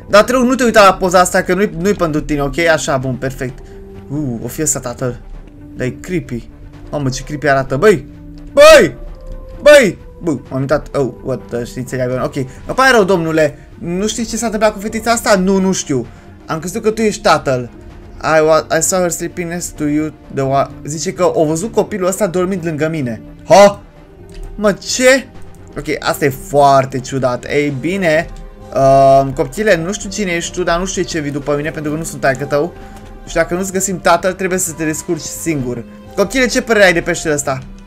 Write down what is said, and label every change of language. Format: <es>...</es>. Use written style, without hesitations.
<ro>Dar trebuie nu te uita la poza asta, că nu-i pentru tine, ok? Așa, bun, perfect. O fi ăsta tatăl. Dar e creepy. Mamă, ce creepy arată, băi. Băi, băi. Bă, m-am uitat, ok, mă pare rău, domnule. Nu știi ce s-a întâmplat cu fetița asta? Nu, nu știu. Am crezut că tu ești tatăl.</ro> <en>I saw her sleeping next to you the one.</en> <ro>Zice că o văzut copilul ăsta dormind lângă mine. Ha? Mă, ce? Ok, asta e foarte ciudat. Ei bine, copchile, nu știu cine ești tu, dar nu știu ce vii după mine, pentru că nu sunt taică tău. Și dacă nu-ți găsim tatăl, trebuie să te descurci singur. Copchile, ce părere ai de peștele ăsta?</ro>